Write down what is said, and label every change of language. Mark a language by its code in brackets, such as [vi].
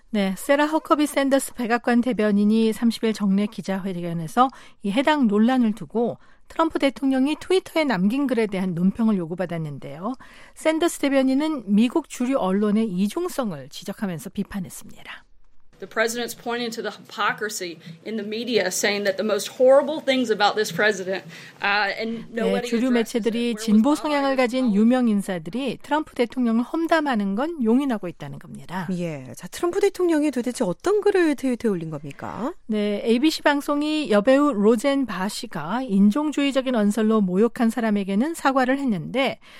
[ko] 네, 세라 허커비 샌더스 백악관 대변인이 30일 정례 기자회견에서 이 해당 논란을 두고 트럼프 대통령이 트위터에 남긴 글에 대한 논평을 요구받았는데요. 샌더스 대변인은 미국 주류 언론의 이중성을 지적하면서 비판했습니다. [en] The president's pointing to the hypocrisy in the media, saying that the most horrible things about this president, and nobody. [ko] 네, 주류 매체들이 진보 성향을 가진 유명 인사들이 트럼프 대통령을 험담하는 건 용인하고 있다는 겁니다. 예, 자 트럼프 대통령이 도대체 어떤 글을 트위터에 올린 겁니까? 네, ABC 방송이 여배우 로젠 바 씨가 인종주의적인 언설로 모욕한 사람에게는 사과를 했는데.